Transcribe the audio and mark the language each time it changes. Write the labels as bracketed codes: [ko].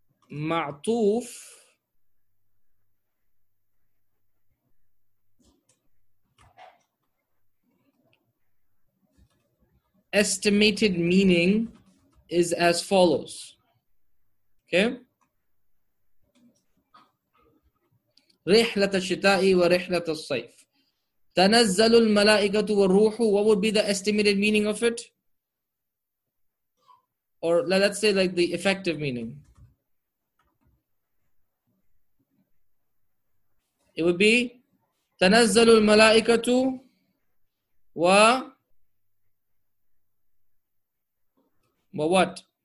[en] The معطوف estimated meaning is as follows. Okay. [ar] رحلة الشتاء ورحلة الصيف. تنزل الملائكة والروح. [en] What would be the estimated meaning of it? Or let's say like the effective meaning. It would be [ar] تنزل الملائكة و [en] but what?